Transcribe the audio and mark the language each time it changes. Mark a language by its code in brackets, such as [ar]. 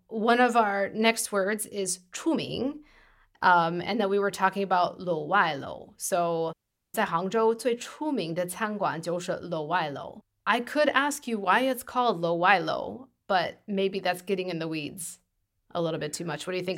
[en] One of our next words is 出名, and that we were talking about 楼外楼. [zh] So 在杭州最出名的餐馆就是楼外楼. [en] I could ask you why it's called 楼外楼, but maybe that's getting in the weeds a little bit too much. What do you think?